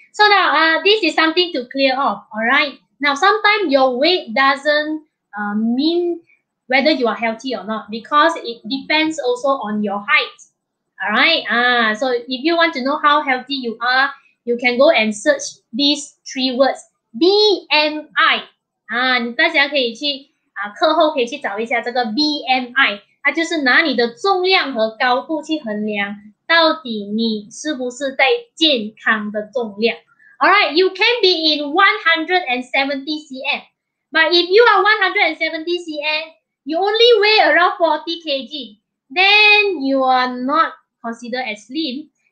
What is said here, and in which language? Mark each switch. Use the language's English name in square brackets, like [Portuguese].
[English] So now, this is something to clear up, all right? Now, sometimes your weight doesn't mean whether you are healthy or not, because it depends also on your height, all right? So if you want to know how healthy you are, you can go and search these three words, BMI. [Chinese] 大家可以去课后可以去找一下这个 BMI, 它就是拿你的重量和高度去衡量。到底你是不是在健康的重量 [English] ？Alright, you can be in 170 cm, but if you are 170 cm, you only weigh around 40 kg, then you are not considered as slim.